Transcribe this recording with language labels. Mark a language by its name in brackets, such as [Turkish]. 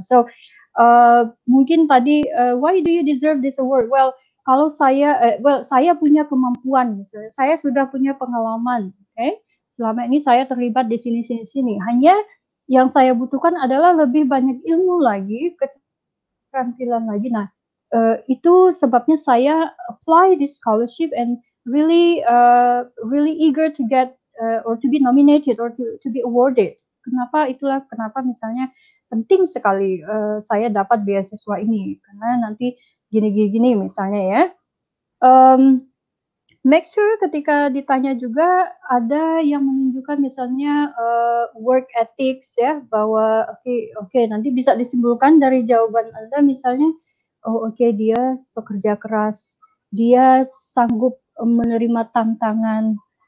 [English] So, [Indonesian] mungkin tadi, [English] why do you deserve this award? [Indonesian] Well, kalau saya, saya punya kemampuan, misalnya, saya sudah punya pengalaman, oke, okay? Selama ini saya terlibat di sini, hanya yang saya butuhkan adalah lebih banyak ilmu lagi, keterampilan lagi. Nah, itu sebabnya saya [English] apply this scholarship and really really eager to get or to be nominated or to be awarded. [Indonesian] Kenapa? Itulah kenapa misalnya penting sekali saya dapat beasiswa ini, karena nanti gini misalnya ya. [English] Make sure [Indonesian] ketika ditanya juga ada yang menunjukkan misalnya [English] work ethics [Indonesian] ya, bahwa okay, nanti bisa disimpulkan dari jawaban Anda misalnya, oh okay, dia pekerja keras, dia sanggup menerima tantangan.